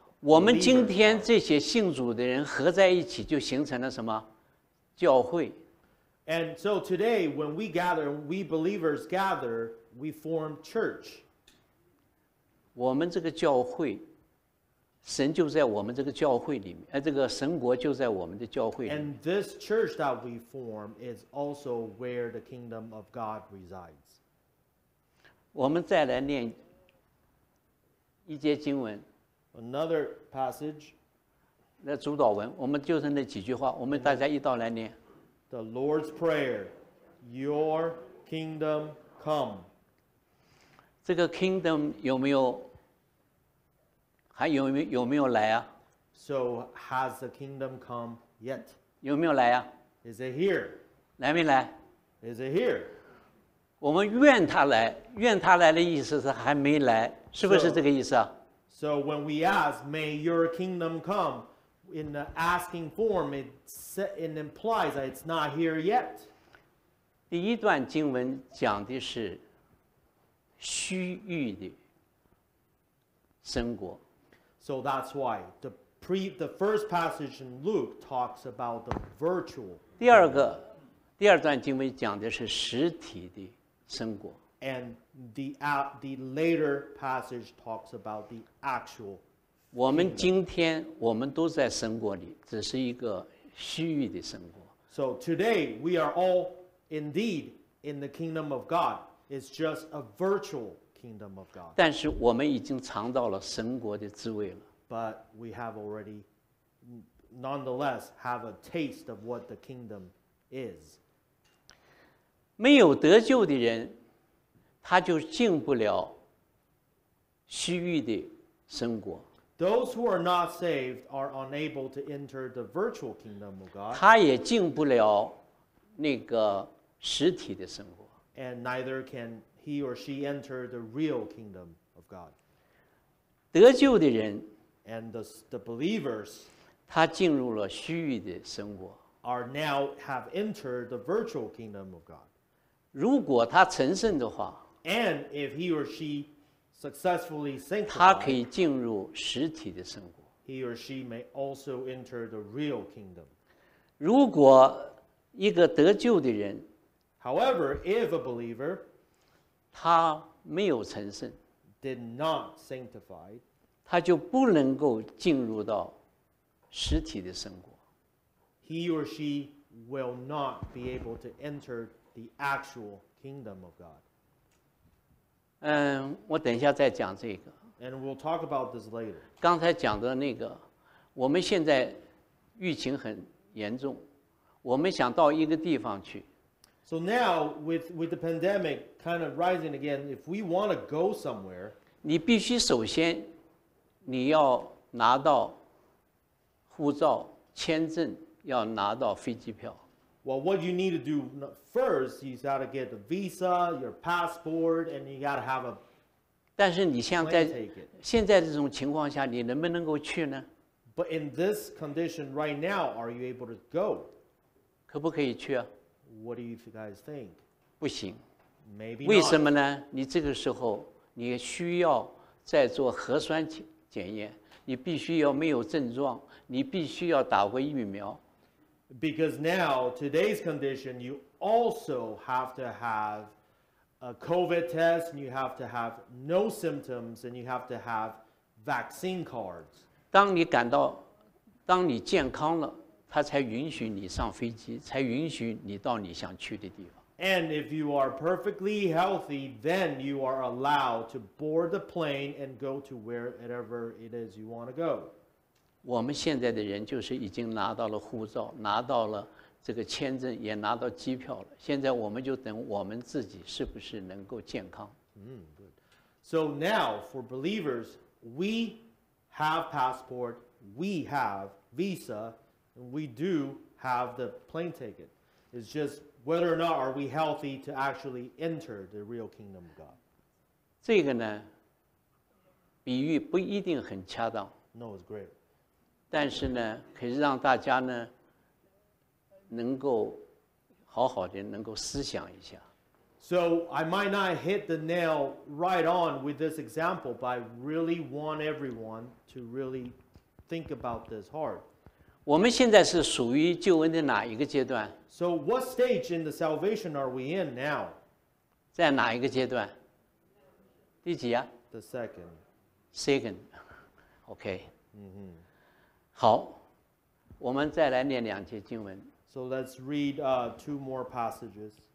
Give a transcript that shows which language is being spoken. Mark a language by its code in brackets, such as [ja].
[zh] 我们今天这些信主的人合在一起，就形成了什么？教会。 [en] And so today, when we gather, we believers gather, we form church. [zh] 我们这个教会。神就在我们这个教会里面，这个神国就在我们的教会里面。 [en] And this church that we form is also where the kingdom of God resides. [zh] 我们再来念一节经文。 [en] Another passage. [zh] 那主导文，我们就是那几句话，我们大家一道来念。 [en] The Lord's Prayer, Your kingdom come. [zh] 这个 kingdom 有没有？还有没有来啊 [en] ？So has the kingdom come yet? [zh] 有没有来啊 [en] ？Is it here? [zh] 来没来 [en] ？Is it here? [zh] 我们愿他来，愿他来的意思是还没来，是不是这个意思啊 [en] ？So when we ask, "May your kingdom come," in the asking form, it implies that it's not here yet. [zh] 第一段经文讲的是虚臾的神国。 [en] So that's why the first passage in Luke talks about the virtual. [zh] 第二段经文讲的是实体的神国。 [en] And the later passage talks about the actual. [zh] 我们今天我们都在神国里，只是一个虚拟的神国。 [en] So today we are all indeed in the kingdom of God. It's just a virtual kingdom of God. [zh] 但是我们已经尝到了神国的滋味了。 [en] But we have already, nonetheless, have a taste of what the kingdom is. [zh] 没有得救的人，他就进不了虚臾的神国。 [en] Those who are not saved are unable to enter the virtual kingdom of God. [zh] 他也进不了那个实体的神国。 [en] And neither can he or she enter the real kingdom of God. [zh] 得救的人 [en] and the believers, [zh] 他进入了虚拟的生活 [en] are now have entered the virtual kingdom of God. [zh] 如果他成圣的话 [en] and if he or she successfully sanctified, [zh] 他可以进入实体的生活 [en] he or she may also enter the real kingdom. [zh] 如果一个得救的人 [en] however, if a believer, [zh] 他没有成圣 [en] did not sanctify, [zh] 他就不能够进入到实体的生活。 [en] He or she will not be able to enter the actual kingdom of God. [zh] 我等一下再讲这个。 [en] And we'll talk about this later. [zh] 刚才讲的那个，我们现在疫情很严重，我们想到一个地方去。 [en] So now, with the pandemic kind of rising again, if we want to go somewhere, [zh] 你必须首先你要拿到护照、签证，要拿到飞机票。 [en] Well, what you need to do first, you got to get the visa, your passport, and you got to have a plane ticket. [zh] 但是你像在现在这种情况下，你能不能够去呢？ [en] But in this condition right now, are you able to go? [zh] 可不可以去啊？ [en] What do you guys think? [zh] 不行。 [en] Maybe not. [zh] 为什么呢？你这个时候你需要再做核酸检验，你必须要没有症状，你必须要打过疫苗。 [en] Because now today's condition, you also have to have a COVID test, and you have to have no symptoms, and you have to have vaccine cards. [zh] 当你感到，当你健康了。他才允许你上飞机，才允许你到你想去的地方。 [en] And if you are perfectly healthy, then you are allowed to board the plane and go to wherever it is you want to go. [zh] 我们现在的人就是已经拿到了护照，拿到了这个签证，也拿到机票了。现在我们就等我们自己是不是能够健康。 [en] Good. So now for believers, we have passport, we have visa. We do have the plane ticket. It's just whether or not are we healthy to actually enter the real kingdom of God. [zh] 这个呢，比喻不一定很恰当。 [en] No, it's great. [zh] 但是呢，可以让大家呢，能够好好的能够思想一下。 [en] So I might not hit the nail right on with this example, but I really want everyone to really think about this hard. [zh] 我们现在是属于救恩的哪一个阶段 [en] ？So what stage in the salvation are we in now？ [zh] 在哪一个阶段？第几啊 [en] ？The second. Second. Okay. 嗯哼。 [zh] 好，我们再来念两节经文。 [en] So let's read two more passages.